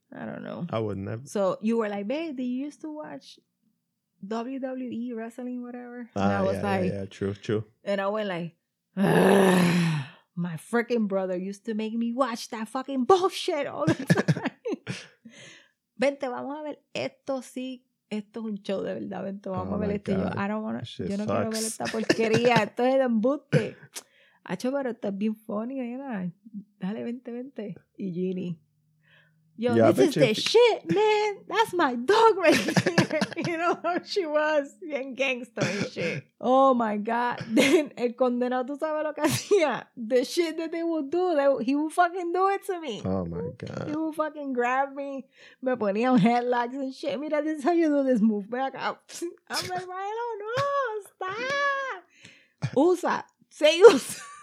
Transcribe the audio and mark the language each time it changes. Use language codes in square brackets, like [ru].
[en] I don't know. I wouldn't have. So you were like, babe, do you used to watch WWE wrestling, whatever. And I was true. And I went like, my freaking brother used to make me watch that fucking bullshit all the time. [es] Vente, vamos a ver esto, sí. Esto es un show de verdad. Vente, vamos a ver esto. [en] Yo, I don't want to. [es] Yo no quiero ver esta porquería. Esto es el embuste. Acho, pero esto es bien funny, ¿verdad? Dale, vente. [en] Y Ginny. Yo, this is the shit, man. That's my dog right here. You know how she was? Bien gangster and shit. Oh, my God. [es] Then, el condenado, ¿tú sabes lo que hacía? [en] The shit that they would do, he would fucking do it to me. Oh, my God. He would fucking grab me. [es] Me ponía un headlocks [en] and shit. Mira, this is how you do this move. [es] Ven acá. [en] I'm like, Milo, no, stop. Usa. Say usa.